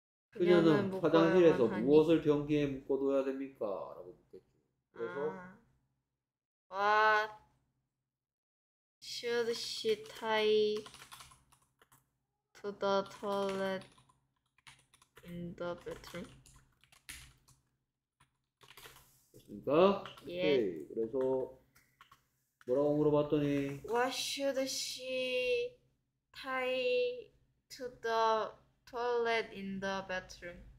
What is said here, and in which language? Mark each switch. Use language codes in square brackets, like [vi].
[ko] 그녀는 화장실에서 무엇을 변기에 묶어둬야 됩니까? 라고 묻겠죠. 그래서 [en] What should she tie to the toilet in the bathroom? [ko] 그러니까 오케이 예. 그래서 뭐라고 물어봤더니 [en] What should she tie to the toilet in the bathroom?